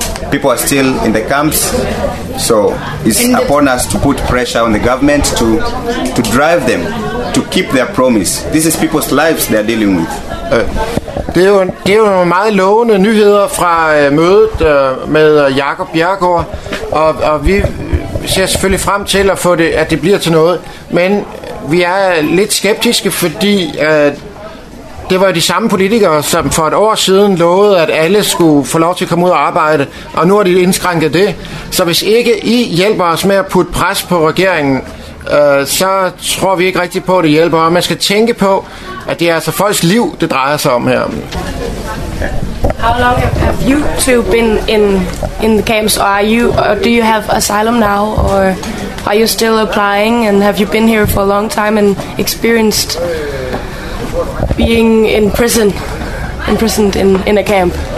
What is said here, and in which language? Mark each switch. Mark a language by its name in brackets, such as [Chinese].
[English] People are still in the camps, so it's upon us to put pressure on the government to drive them to keep their promise. This is people's lives they are dealing with. [Danish] Det er jo meget lovende nyheder fra mødet med Jakob Bjerregaard, og vi ser selvfølgelig frem til at få det, at det bliver til noget, men vi er lidt skeptiske, fordi det var de samme politikere, som for et år siden lovede, at alle skulle få lov til at komme ud og arbejde, og nu har de indskrænket det. Så hvis ikke I hjælper os med at putte pres på regeringen, så tror vi ikke rigtig på, at det hjælper. Og man skal tænke på, at det er altså folks liv, det drejer sig om her. [English] How long have you two been in the camps, or do you have asylum now, or are you still applying, and have you been here for a long time and experienced being imprisoned in a camp?